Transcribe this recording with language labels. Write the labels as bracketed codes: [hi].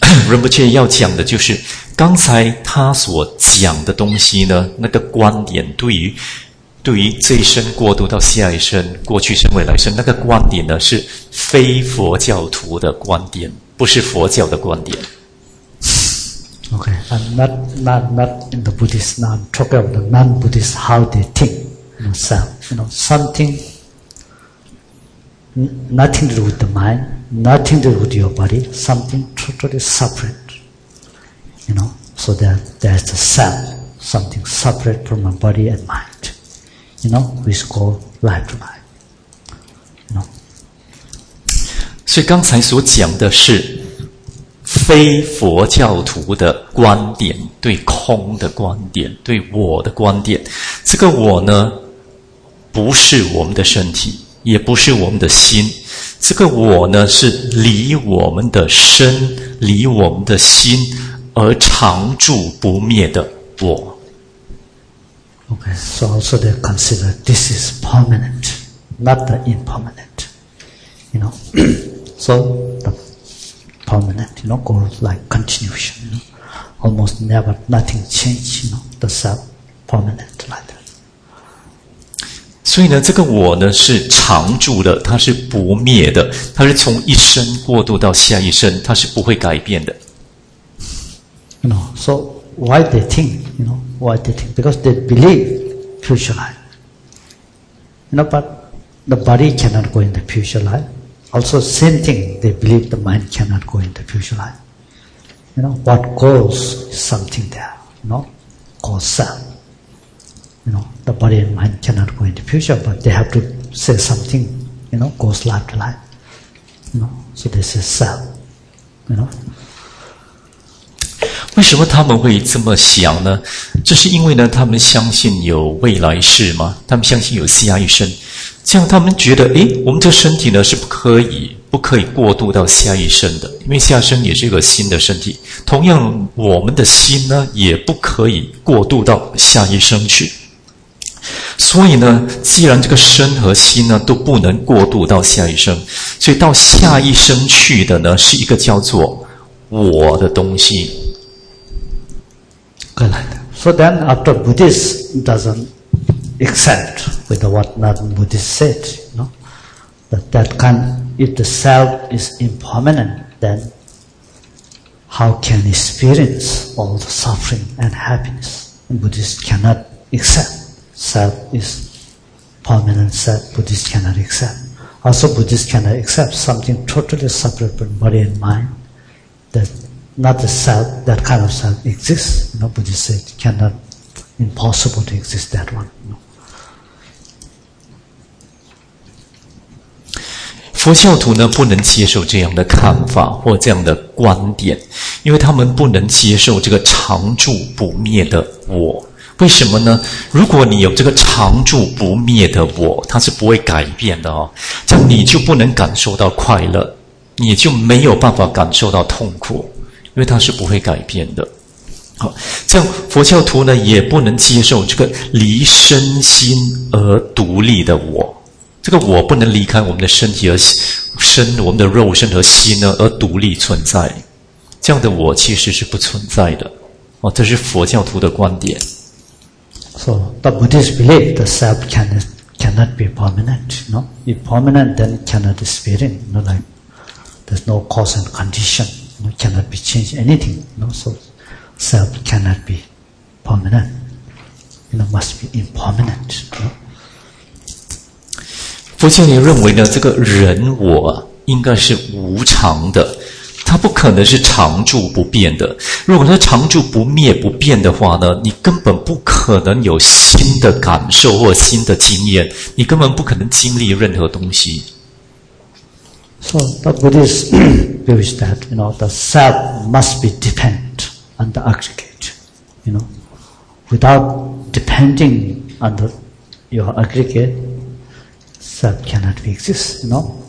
[zh] 仁波切要讲的就是刚才他所讲的东西呢，那个观点对于这一生过渡到下一生，过去生未来生，那个观点呢是非佛教徒的观点，不是佛教的观点。 [en] Okay, I'm not in the Buddhist. Now I'm talking about the non-Buddhist how they think themselves. You know, something nothing to do with the mind, nothing to do with your body, something totally separate. You know, so that there's a self, something separate from my body and mind. You know, which is called life to life. You know. [zh] 所以刚才所讲的是非佛教徒的观点，对空的观点，对我的观点。这个我呢，不是我们的身体，也不是我们的心。这个我呢，是离我们的身，离我们的心而常住不灭的我。 [en] Okay, so also they consider this is permanent, not the impermanent. You know, so the permanent, you know, go like continuation, you know, almost never nothing change, you know, the self permanent like that. [zh] 所以呢，这个我呢是常住的，它是不灭的，它是从一生过渡到下一生，它是不会改变的。 [en] You know, so why they think, you know? Why they think? Because they believe future life. You know, but the body cannot go into future life. Also, same thing, they believe the mind cannot go into future life. You know, what goes is something there, you know, called self. You know, the body and mind cannot go into future, but they have to say something, you know, goes life to life. You know, so this is self, you know. [zh] 为什么他们会这么想呢？这是因为呢，他们相信有未来世吗？他们相信有下一生，这样他们觉得，诶，我们这身体呢是不可以过渡到下一生的，因为下生也是一个新的身体。同样，我们的心呢也不可以过渡到下一生去。所以呢，既然这个身和心呢都不能过渡到下一生，所以到下一生去的呢是一个叫做我的东西。 [en] Good, like that. So then after Buddhist doesn't accept with what non-Buddhist said, you know, that can, if the self is impermanent, then how can experience all the suffering and happiness? Buddhist cannot accept. Self is permanent self, Buddhist cannot accept. Also Buddhist cannot accept something totally separate from body and mind, thatNot the self, that kind of self exists. You know, Buddha said, cannot, impossible to exist that one. You know. [zh] 佛教徒呢，不能接受这样的看法或这样的观点，因为他们不能接受这个常住不灭的我。为什么呢？如果你有这个常住不灭的我，它是不会改变的哦，这样你就不能感受到快乐，你就没有办法感受到痛苦。因为它是不会改变的。好，这样佛教徒呢也不能接受这个离身心而独立的我，这个我不能离开我们的身体而身，我们的肉身和心呢而独立存在，这样的我其实是不存在的。哦，这是佛教徒的观点。 [en] So the Buddhists believe the self cannot be permanent. No, if permanent, then cannot experience. No, like there's no cause and condition. Cannot be changed anything, you know, so self cannot be permanent, you know, must be impermanent, you know. [zh] 佛教也认为呢，这个人我应该是无常的，它不可能是常住不变的。如果它常住不灭不变的话呢，你根本不可能有新的感受或新的经验，你根本不可能经历任何东西。 [en] So the Buddhist view is that, you know, the self must be dependent on the aggregate, you know. Without depending on your aggregate, self cannot exist, you know.